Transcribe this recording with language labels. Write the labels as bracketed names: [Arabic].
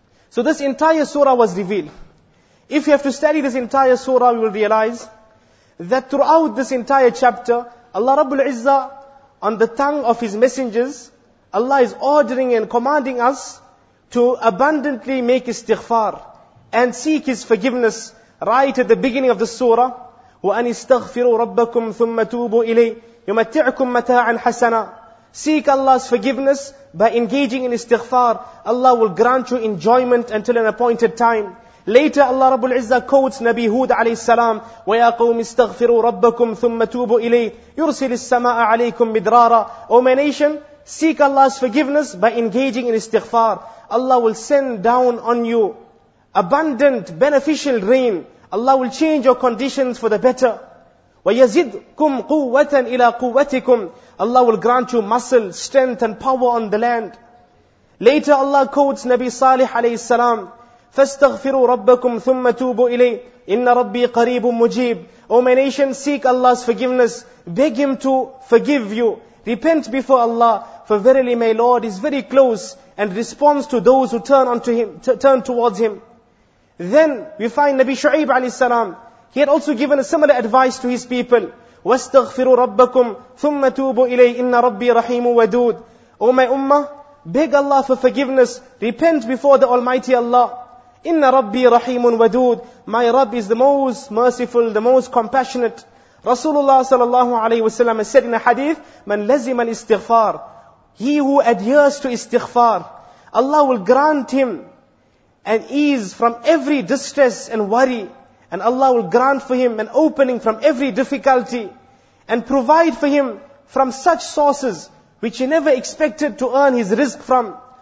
[English] So this entire surah was revealed. If you have to study this entire surah, we will realize that throughout this entire chapter, Allah Rabbul Izzah, on the tongue of His messengers, Allah is ordering and commanding us to abundantly make istighfar and seek His forgiveness right at the beginning of the surah. [Arabic] وَأَنِ اسْتَغْفِرُوا رَبَّكُمْ ثُمَّ تُوبُوا إِلَيْهِ يُمَتِّعْكُمْ مَتَاعًا حَسَنًا. [English] Seek Allah's forgiveness by engaging in istighfar. Allah will grant you enjoyment until an appointed time. Later, Allah Rabbul Izzah quotes Nabi Hud alayhi salam, [Arabic] وَيَا قَوْمِ اسْتَغْفِرُوا رَبَّكُمْ ثُمَّ تُوبُوا إِلَيْهِ يُرْسِلِ السَّمَاءَ عَلَيْكُمْ مِدْرَارًا. [English] O my nation, seek Allah's forgiveness by engaging in istighfar. Allah will send down on you abundant, beneficial rain. Allah will change your conditions for the better. [Arabic] وَيَزِدْكُمْ قُوَّةً إِلَىٰ قُوَّتِكُمْ. [English] Allah will grant you muscle, strength and power on the land. Later Allah quotes Nabi Salih alayhi salam, [Arabic] فَاسْتَغْفِرُوا رَبَّكُمْ ثُمَّ تُوبُوا إِلَيْهِ إِنَّ رَبِّي قَرِيبٌ مُجِيبٌ. [English] O my nation, seek Allah's forgiveness. Beg Him to forgive you. Repent before Allah, for verily my Lord is very close and responds to those who turn unto Him, turn towards Him. Then we find Nabi Shu'ayb alayhi salam, he had also given a similar advice to his people. [Arabic] وَاسْتَغْفِرُوا رَبَّكُمْ ثُمَّ تُوبُوا إِلَيْهِ إِنَّ رَبِّي رَحِيمٌ وَدُودٌ. [English] O my ummah, beg Allah for forgiveness. Repent before the Almighty Allah. [Arabic] إِنَّ رَبِّي رَحِيمٌ وَدُودٌ. [English] My Rabb is the most merciful, the most compassionate. Rasulullah sallallahu alayhi wa sallam has said in a hadith, [Arabic] مَنْ لَزِمَ الْإِسْتِغْفَارِ. [English] He who adheres to istighfar, Allah will grant him an ease from every distress and worry, and Allah will grant for him an opening from every difficulty, and provide for him from such sources which he never expected to earn his rizq from.